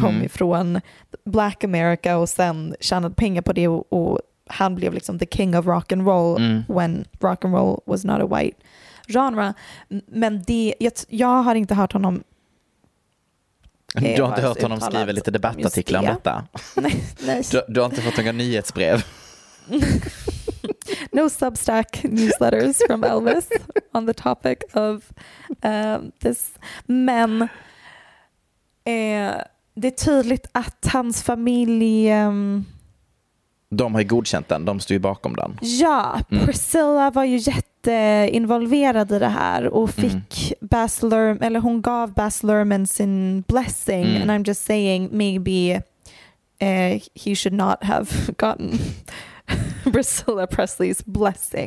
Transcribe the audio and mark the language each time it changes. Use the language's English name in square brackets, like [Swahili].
[Swedish] kom ifrån Black America och sen tjänade pengar på det och han blev liksom [English] the king of rock and roll when rock and roll was not a white genre. [Swedish] Men det jag har inte hört honom. Du har inte hört honom skriva lite debattartiklar om detta. Du har inte fått några nyhetsbrev. [English] No Substack newsletters from Elvis on the topic of this. [Swedish] Men det är tydligt att hans familj de har ju godkänt den. De står ju bakom den. Ja, Priscilla var ju jätteinvolverad i det här och fick hon gav Baz Luhrmann sin blessing [English] and I'm just saying maybe he should not have gotten Priscilla Presley's blessing.